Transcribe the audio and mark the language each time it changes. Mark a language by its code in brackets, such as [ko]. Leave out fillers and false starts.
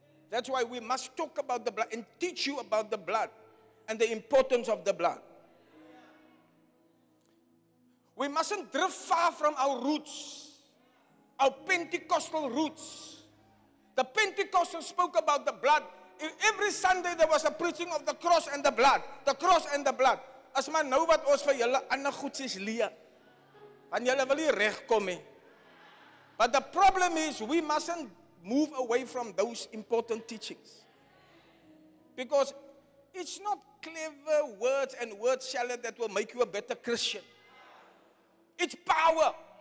[en] That's why we must talk about the blood and teach you about the blood and the importance of the blood. We mustn't drift far from our roots, our Pentecostal roots. The Pentecostals spoke about the blood. Every Sunday there was a preaching of the cross and the blood. The cross and the blood. [af] As man nou wat ons vir julle ander goedjies leer. Want julle wil hier regkom hê. [en] But the problem is we mustn't move away from those important teachings. Because it's not clever words and word salad that will make you a better Christian. It's power.